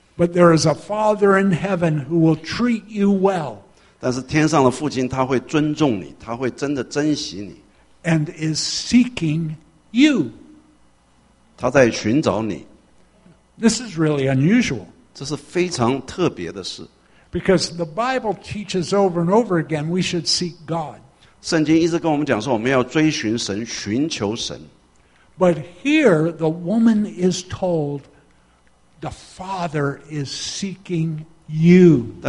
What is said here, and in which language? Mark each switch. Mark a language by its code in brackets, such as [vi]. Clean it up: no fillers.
[en] But there is a father in heaven who will treat you well. [zh] 但是天上的父亲他会尊重你, 他会真的珍惜你。 [en] And is seeking you. [zh] 他在寻找你。 [en] This is really unusual. [zh] 这是非常特别的事。 [en] Because the Bible teaches over and over again we should seek God. [zh] 圣经一直跟我们讲说我们要追寻神,寻求神。 [en] But here the woman is told the Father is seeking you.